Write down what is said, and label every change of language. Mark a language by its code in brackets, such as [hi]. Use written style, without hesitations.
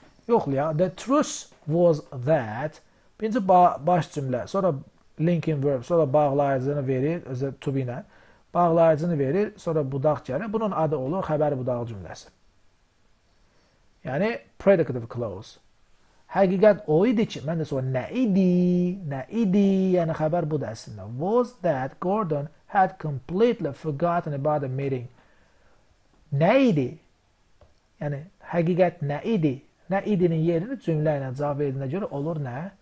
[az] Yoxlaya, [en] the truth was that, [az] birinci baş cümlə, sonra linking verb, sonra bağlayıcını verir, özə to be-nə, bağlayıcını verir, sonra budaq gəlir. Bunun adı olur xəbər budaq cümləsi. Yəni, predicative clause. Həqiqət o idi ki, mən də sonra nə idi, nə idi, yəni xəbər budur əslində. [en] Was that Gordon had completely forgotten about the meeting. [az] Nə idi? Yəni, həqiqət nə idi? Nə idinin yerini cümlə ilə cavab verdiyinə görə olur nə?